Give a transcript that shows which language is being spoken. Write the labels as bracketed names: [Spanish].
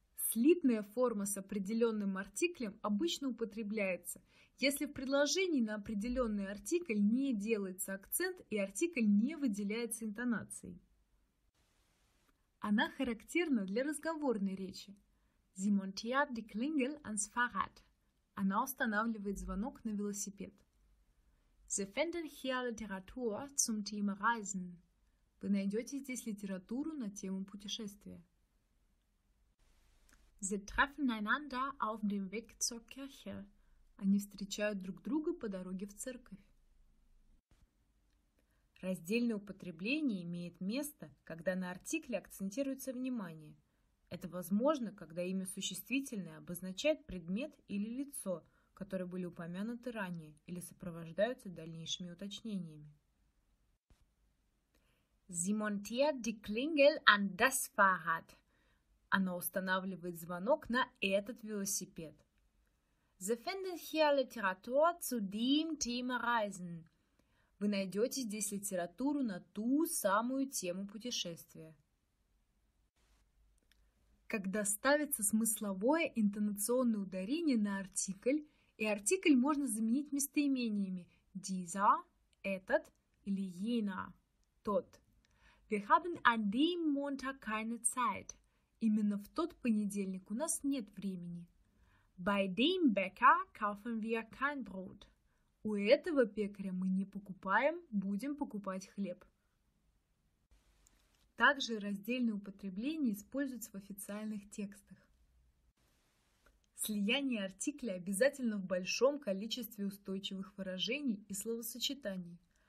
[Russian] Слитная форма с определенным артиклем обычно употребляется, если в предложении на определенный артикль не делается акцент и артикль не выделяется интонацией. Она характерна для разговорной речи. [German] Sie montiert die Klingel ans Fahrrad. [Russian] Она устанавливает звонок на велосипед. [German] Sie finden hier Literatur zum Thema Reisen. [Russian] Вы найдете здесь литературу на тему путешествия. [German] Sie treffen einander auf dem Weg zur Kirche. [Russian] Они встречают друг друга по дороге в церковь. Раздельное употребление имеет место, когда на артикле акцентируется внимание. Это возможно, когда имя существительное обозначает предмет или лицо, которые были упомянуты ранее или сопровождаются дальнейшими уточнениями. [German] Sie montiert die Klingel an das Fahrrad. [Russian] Она устанавливает звонок на этот велосипед. [German] Sie finden hier Literatur zu dem Thema Reisen. [Russian] Вы найдете здесь литературу на ту самую тему путешествия. Когда ставится смысловое интонационное ударение на артикль, и артикль можно заменить местоимениями dieser, этот, или jener, тот. [German] Wir haben an dem Montag keine Zeit. [Russian] Именно в тот понедельник у нас нет времени. [German] Bei dem Bäcker kaufen wir kein Brot. [Russian] У этого пекаря мы не покупаем, будем покупать хлеб. Также раздельное употребление используется в официальных текстах. Слияние артикля обязательно в большом количестве устойчивых выражений и словосочетаний.